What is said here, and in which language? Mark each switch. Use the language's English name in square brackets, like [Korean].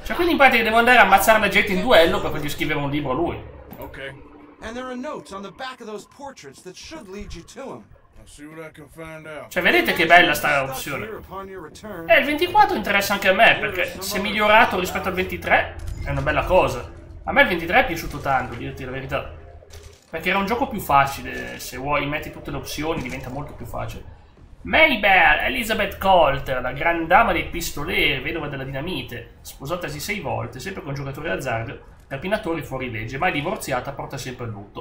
[Italian] Cioè, quindi in pratica devo andare a ammazzare la gente in duello per poi scrivere un libro a lui. [English] Okay. And there are notes on the back of those portraits that should lead you to him. See what I can find out. [Italian] Cioè, vedete che bella sta opzione. Il 24 interessa anche a me, perché se è migliorato rispetto al 23 è una bella cosa. A me il 23 è piaciuto tanto, dirti la verità. Perché era un gioco più facile, se vuoi metti tutte le opzioni diventa molto più facile. Maybelle Elizabeth Colter, la gran dama dei pistoleri, vedova della dinamite, sposatasi 6 volte, sempre con giocatori d'azzardo, rapinatori fuori legge, mai divorziata, porta sempre il lutto.